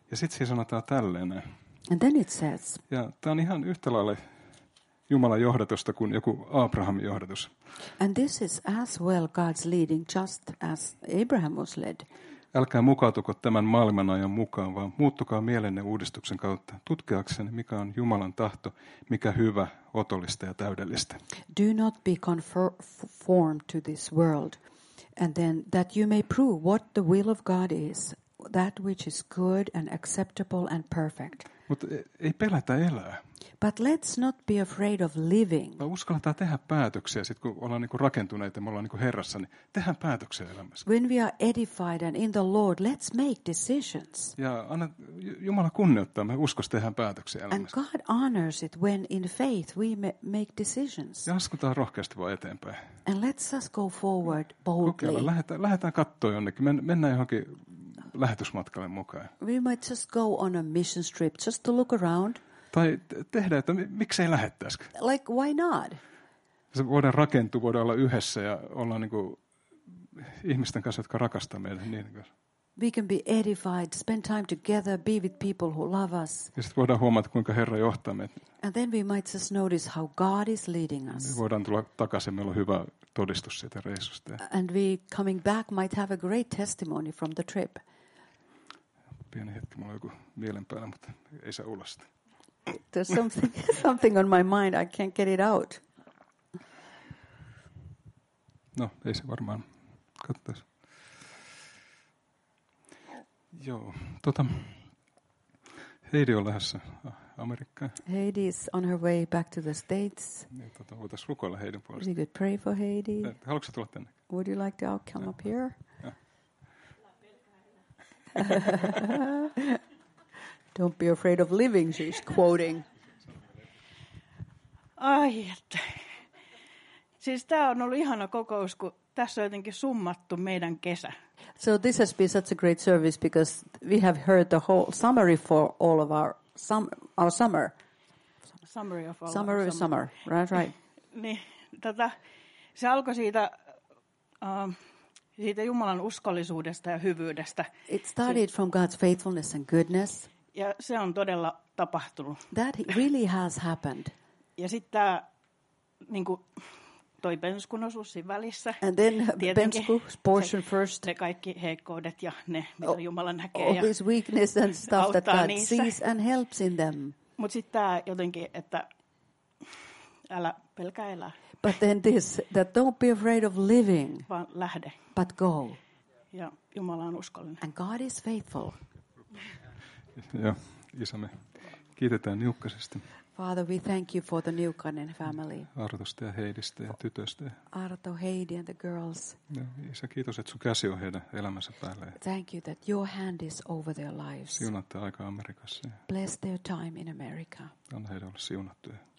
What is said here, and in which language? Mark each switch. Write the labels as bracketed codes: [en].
[fi] Ja sitten siinä sanotaan tälleen. [en] And then it says. [fi] Ja tämä on ihan yhtä lailla Jumalan johdatusta kuin joku Abrahamin johdatus. [en] And this is as well God's leading, just as Abraham was led. [fi] Älkää mukautuko tämän maailman ajan mukaan, vaan muuttukaa mielenne uudistuksen kautta, tutkiakseni, mikä on Jumalan tahto, mikä hyvä, otollista ja täydellistä. [en] Do not be conformed to this world, and then that you may prove what the will of God is, that which is good and acceptable and perfect. [fi] Mutta ei pelätä elää. [en] But let's not be afraid of living. [fi] Mä uskalletaan tehdä päätöksiä, sit kun ollaan niinku rakentuneita, me ollaan niinku Herrassa, niin tehdään päätöksiä elämässä. [en] When we are edified and in the Lord, let's make decisions. [fi] Ja anna Jumala kunnioittaa, me uskossa tehdään päätöksiä elämässä. [en] And God honors it when in faith we make decisions. [fi] Ja askutaan rohkeasti vaan eteenpäin. [en] And let's us go forward boldly. [fi] Kokeillaan, lähdetään kattoo jonnekin, mennään johonkin lähetysmatkalle mukaan. [en] We might just go on a mission trip, just to look around. [fi] Tai tehdä, että miksei lähettäisikö? [en] Like, why not? [fi] Se voidaan rakentua, voidaan olla yhdessä ja olla niin kuin ihmisten kanssa, jotka rakastaa meitä. Niin. [en] We can be edified, spend time together, be with people who love us. [fi] Ja sitten voidaan huomata, kuinka Herra johtaa meitä. [en] And then we might just notice how God is leading us. [fi] Me voidaan tulla takaisin, meillä on hyvä todistus siitä reissusta. [en] And we coming back might have a great testimony from the trip. [fi] Pieni hetki, mulla on joku mielen päällä, mutta ei saa ulos sitä. [en] There's something on my mind, I can't get it out. [fi] No, ei se varmaan. Katsotaan. Joo, Heidi on lähdössä Amerikkaan. [en] Heidi is on her way back to the States. [fi] Niin, voitaisiin rukoilla Heidin puolesta. [en] You could pray for Heidi. [fi] Haluatko tulla tänne? [en] Would you like to come up here? Don't be afraid of living, she's quoting. [fi] Ai että. Siis tämä on ollut ihana kokous, kun tässä on jotenkin summattu meidän kesä. [en] So this has been such a great service because we have heard the whole summary for all of our summer. Summary of all summer. Of summer. Summer, right. [fi] Niin, se alkoi siitä siitä Jumalan uskollisuudesta ja hyvyydestä. [en] It started from God's faithfulness and goodness. [fi] Ja se on todella tapahtunut. [en] That really has happened. [fi] Ja sitten tämä niinku toi penskun osuus siinä välissä. [en] And then pensku portion first. [fi] Ne kaikki heikkoudet ja ne, mitä Jumala näkee. [en] All his weakness and stuff that God [fi] niissä. [en] Sees and helps in them. [fi] Mutta sitten tämä jotenkin, että älä pelkää elää. [en] But then this, that don't be afraid of living. [fi] Vaan lähde. [en] But go. [fi] Ja Jumala on uskollinen. [en] And God is faithful. [fi] Joo, isä me kiitetään Niukkasesta. [en] Father, we thank you for the Niukkanen family. [fi] Artosta ja Heidistä ja tytöstä. [en] Arto, Heidi and the girls. [fi] Ja isä, kiitos, että sun käsi on heidän elämänsä päällä. [en] Thank you that your hand is over their lives. [fi] Siunatte aika Amerikassa. [en] Bless their time in America. [fi] Anna heidän olla siunattuja.